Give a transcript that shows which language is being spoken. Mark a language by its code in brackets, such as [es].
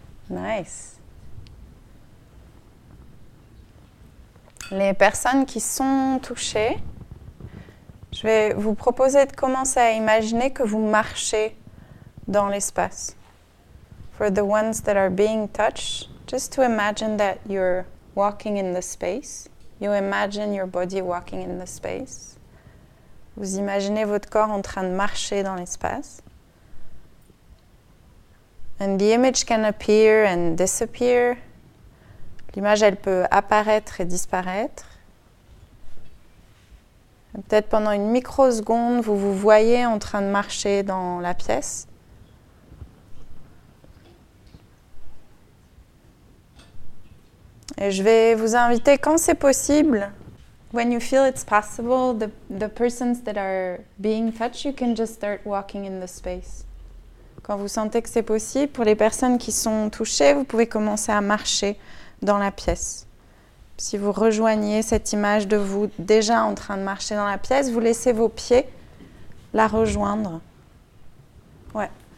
[fr] Nice. Les personnes qui sont touchées, je vais vous proposer de commencer à imaginer que vous marchez dans l'espace. [en] For the ones that are being touched, just to imagine that you're walking in the space. You imagine your body walking in the space. [fr] Vous imaginez votre corps en train de marcher dans l'espace. [en] And the image can appear and disappear. [fr] L'image, elle peut apparaître et disparaître. Et peut-être pendant une microseconde, vous vous voyez en train de marcher dans la pièce. Et je vais vous inviter, quand c'est possible, [en] when you feel it's possible, the persons that are being touched, you can just start walking in the space. [fr] Quand vous sentez que c'est possible, pour les personnes qui sont touchées, vous pouvez commencer à marcher dans la pièce. Si vous rejoignez cette image de vous déjà en train de marcher dans la pièce, vous laissez vos pieds la rejoindre. Ouais.